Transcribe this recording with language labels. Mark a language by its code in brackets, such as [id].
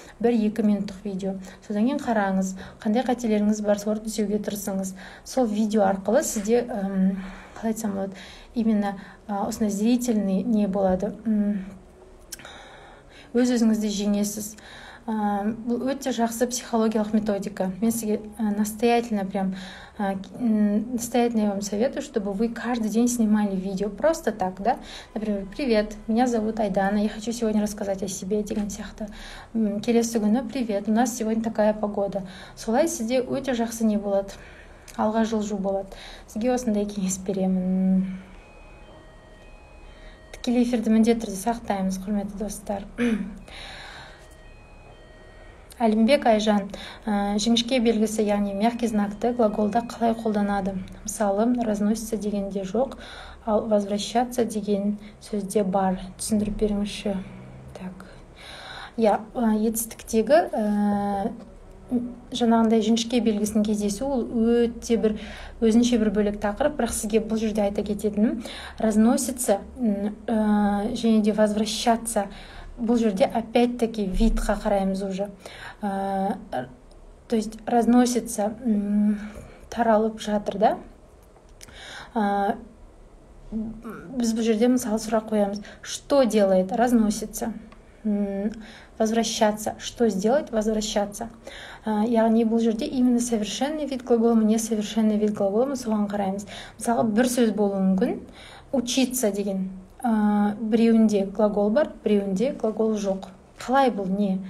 [kk] 1-2 минуттық видео. Содан кейін қараңыз, қандай қателеріңіз бар, соны түзеуге тырысыңыз. Сол видео арқылы сізде қалай айтсам болады, именно осындай зрительный не болады, өз-өзіңізді жеңесіз. Бұл өте жақсы психологиялық методика. [ru] Мен сізге настоятельно я вам советую, чтобы вы каждый день снимали видео просто так, да? Например, привет, меня зовут Айдана, я хочу сегодня рассказать о себе, деген сияқты. Келесі күні, привет, у нас сегодня такая погода. [kk] Солай сізде өте жақсы не болады. Алға жылжу болады. Сізге осындай кеңес беремін. Тікелей эфирді міндетті түрде сақтаймыз, құрметті достар. Әлімбек Айжан, жіңішке белгісі, яғни мягкий знакты глаголда қалай қолданады? Мысалы, разносится дегенде жоқ, ал возвращаться деген сөзде бар. Түсіндіріп беріңізші. Так. Я етістіктегі жаңағындай жіңішке белгісінің кездесу, ол өте бір өзінше бір бөлек тақырып, бірақ сізге бұл жерде айта кететінім, разносится және де возвращаться. Бұл жерде опять-таки видқа қараймыз уже. [ru] То есть разносится, таралып жатыр, да? [kk] Біз бұл жерде мысалы сұрақ қоямыз. [ru] Что делает? Разносится. Возвращаться. Что сделать? Возвращаться. [kk] Яғни бұл жерде именно совершенный вид глагола, не совершенный вид глагола, мы соған қараймыз. Мысалы бір сөз болуы мүмкін. Учиться деген. Біреуінде глагол бар, біреуінде глагол жоқ. Қалай бұл не?